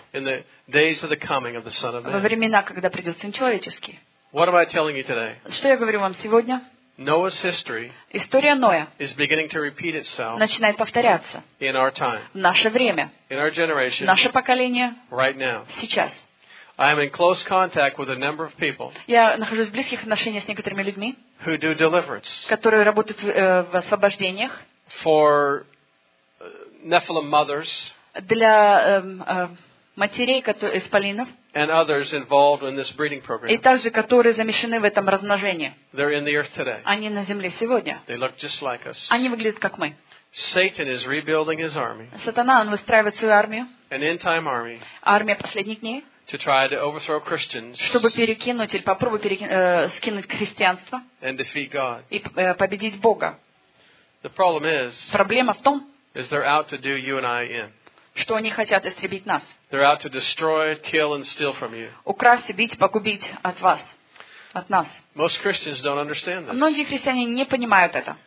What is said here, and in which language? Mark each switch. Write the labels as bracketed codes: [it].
[en] In the days of the coming of the Son of Man. [ru] Во времена, когда придет Сын человеческий. [en] What am I telling you today? [ru] Что я говорю вам сегодня? [en] Noah's history. [ru] История Ноя. [en] Is beginning to repeat itself. [ru] Начинает повторяться. [en] In our time. [ru] В наше время. [en] In our generation. [ru] Наше поколение. [en] Right now. [ru] Сейчас. [en] I am in close contact with a number of people. [ru] Я нахожусь в близких отношениях с некоторыми людьми. [en] Who do deliverance. [ru] Которые работают в освобождениях. [en] For Nephilim mothers, [ru] для матерей, которые исполинов, [en] and others involved in this breeding program, [ru] и также которые замешаны в этом размножении. [en] They're in the earth today. [ru] Они на земле сегодня. [en] They look just like us. [ru] Они выглядят как мы. [en] Satan is rebuilding his army. [ru] Сатана он выстраивает свою армию. [en] An end time army. [ru] Армия последних дней. [en] To try to overthrow Christians. [ru] Чтобы перекинуть или попробовать скинуть христианство. [en] And defeat God. [ru] И победить Бога. [en] The problem is. [ru] Проблема в том. [en] Is they're out to do you and I in? [ru] Что они хотят истребить нас? [en] They're out to destroy, kill, and steal from you. [ru] Украсть, убить, погубить от вас, от нас. [en] Most Christians don't understand this. [ru] Многие христиане не понимают это.